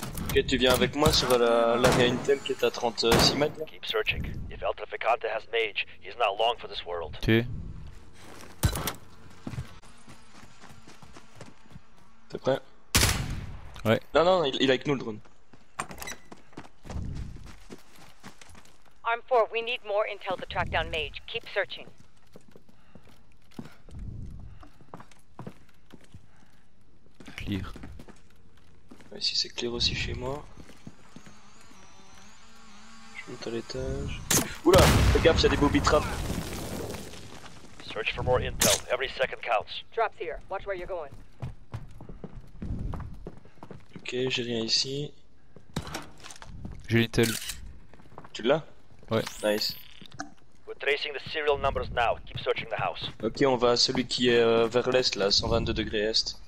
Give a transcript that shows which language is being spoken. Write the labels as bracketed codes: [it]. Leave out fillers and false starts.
[fr] Ok, tu viens avec moi sur l'area Intel qui est à 36 mètres. [en] Keep searching. If El Traficante has Mage, he's not long for this world. Okay. [fr] T'es prêt? Ouais. Non, il est avec nous le drone. [en] Arm 4, we need more intel to track down Mage. Keep searching. Clear. [fr] Ouais, si c'est clear aussi chez moi. Je monte à l'étage. Oula, fais gaffe, y'a des booby traps. [en] Search for more intel. Every second counts. Drops here. Watch where you're going. [fr] Ok, j'ai rien ici. J'ai l'intel. Tu l'as? Ouais. [en] Nice. We're tracing the serial numbers now. Keep searching the house. [fr] Ok, on va à celui qui est vers l'est là, 122 degrés est.